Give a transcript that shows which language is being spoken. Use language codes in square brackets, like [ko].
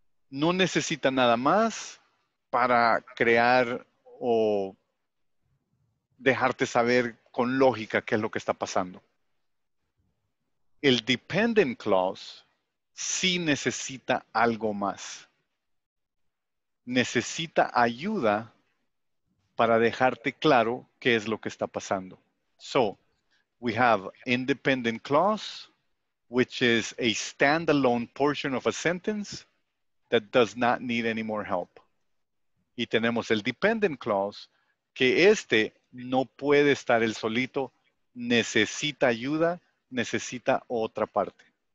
[es] No necesita nada más para crear o dejarte saber con lógica qué es lo que está pasando. El dependent clause sí necesita algo más. Necesita ayuda para dejarte claro qué es lo que está pasando. [en] So, we have independent clause, which is a standalone portion of a sentence that does not need any more help. [es] Y tenemos el dependent clause, que este no puede estar el solito, necesita ayuda, necesita otra parte.